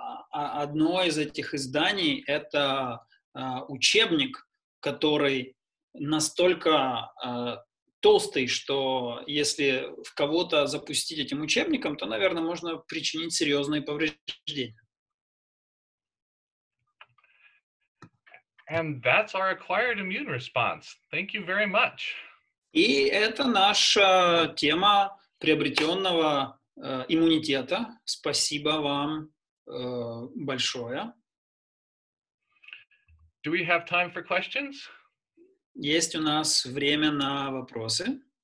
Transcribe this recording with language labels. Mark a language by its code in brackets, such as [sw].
[ru] Одно из этих изданий — это учебник, который настолько толстый, что если в кого-то запустить этим учебником, то, наверное, можно причинить серьезные повреждения. [en] And that's our acquired immune response. Thank you very much. [ru] И это наша тема приобретенного иммунитета. Спасибо вам большое. [en] Do we have time for questions? [ru] Есть у нас время на вопросы?